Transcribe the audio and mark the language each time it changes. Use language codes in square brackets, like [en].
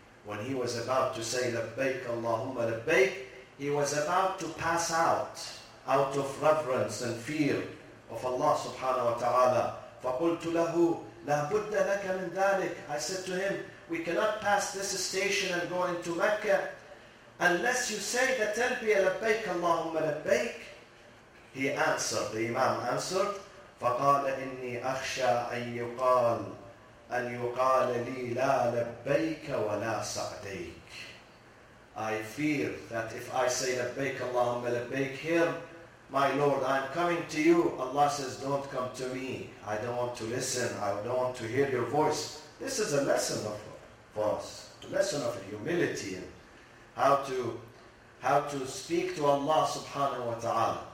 [en] When he was about to say [ar] لَبَّيْكَ اللَّهُمَّ لَبَّيْكَ, [en] he was about to pass out of reverence and fear of Allah subhanahu wa ta'ala. [ar] قلت له لا بد لك من ذلك. [en] I said to him, we cannot pass this station and go into Mecca unless you say the talbiya labbaik Allahumma labbaik. He answered, the Imam answered, [ar] فقال إني أخشى أن يقال أن يقال لي لا لبيك ولا سعديك. [en] I fear that if I say [ar] لبيك اللهم لبيك [en] here, my Lord, I'm coming to you. Allah says, don't come to me. I don't want to listen. I don't want to hear your voice. This is a lesson for us, a lesson of humility, and how to speak to Allah subhanahu wa ta'ala.